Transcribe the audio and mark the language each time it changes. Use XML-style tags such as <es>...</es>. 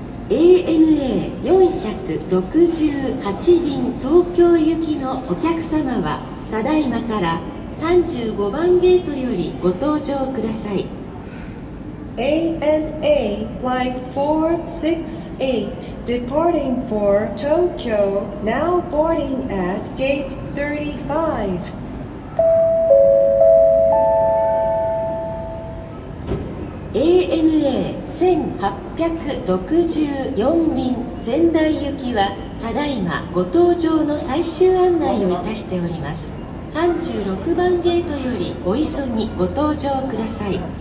<ja>ANA 468便東京行きのお客様は、ただいまから35番ゲートよりご搭乗ください。</ja> <en>ANA Flight 468 departing for Tokyo, now boarding at gate 35.</en> <ja>ANA 1864便仙台行きは、ただいまご搭乗の最終案内をいたしております。 36番ゲートよりお急ぎご搭乗ください。</ja>